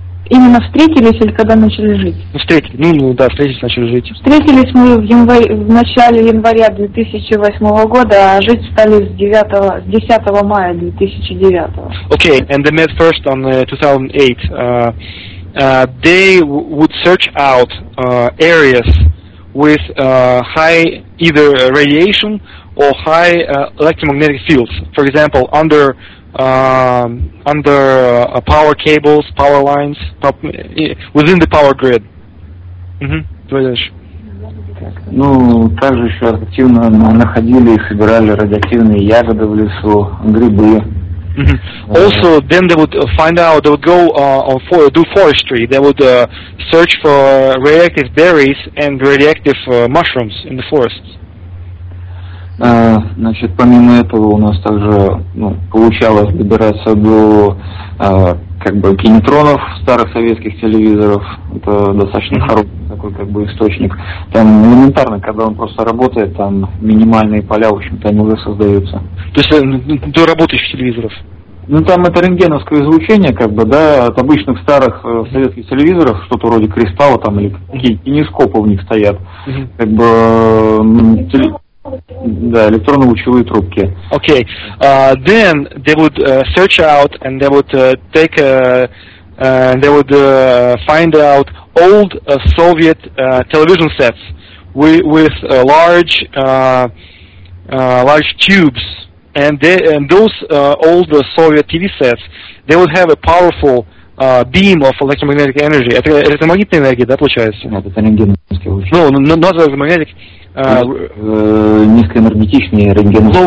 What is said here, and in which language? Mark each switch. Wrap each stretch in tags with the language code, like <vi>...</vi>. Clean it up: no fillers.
<ru>Именно встретились или когда начали жить? Встретились мы в начале января 2008 года, а жить стали с 10 мая 2009.</ru> <en>Okay, and they met first on 2008. They would search out areas with high either radiation or high electromagnetic fields. For example, under power cables, power lines, within the power grid.</en> <ru>Ну, также еще активно находили и собирали радиоактивные ягоды в лесу, грибы. Mm-hmm.</ru> <en>Also, then they would find out, they would go do forestry. They would search for radioactive berries and radioactive mushrooms in the forests.</en> <ru>Значит, помимо этого у нас также, ну, получалось добираться до как бы кинетронов старых советских телевизоров. Это достаточно хороший такой как бы источник. Там элементарно, когда он просто работает, там минимальные поля, в общем-то, они уже создаются. То есть до работающих телевизоров? Ну там это рентгеновское излучение, как бы, да, от обычных старых советских телевизоров, что-то вроде кристалла там или какие-то кинескопы в них стоят. Как бы да, электронно-лучевые трубки.</ru> <en>Okay, then they would search out and they would take they would find out old Soviet television sets with large large tubes, and they, and those old Soviet TV sets, they would have a powerful beam of electromagnetic energy.</en> <ru>Это магнитная энергия, да, получается? Нет, это рентгеновские лучи.</ru> <en>No, not electromagnetic.</en> <ru>Низкоэнергетичные рентгены.</ru>